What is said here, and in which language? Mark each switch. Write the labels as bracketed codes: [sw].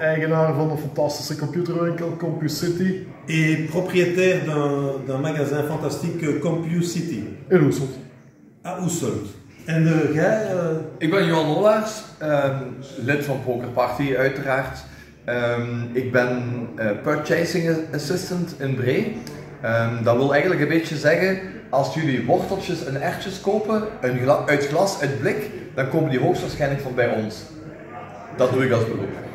[nl] Eigenaar van een fantastische computerwinkel, CompuCity. [fr] Et propriétaire d'un magasin fantastique, CompuCity. [nl] In Oesselt. Ah, Oesselt. En jij? Ik ben Johan Olaerts, lid van Poker Party uiteraard. Ik ben Purchasing Assistant in Bree. Dat wil eigenlijk een beetje zeggen, als jullie worteltjes en ertjes kopen, uit glas, uit blik, dan komen die hoogstwaarschijnlijk van bij ons. Dat doe ik als beroep.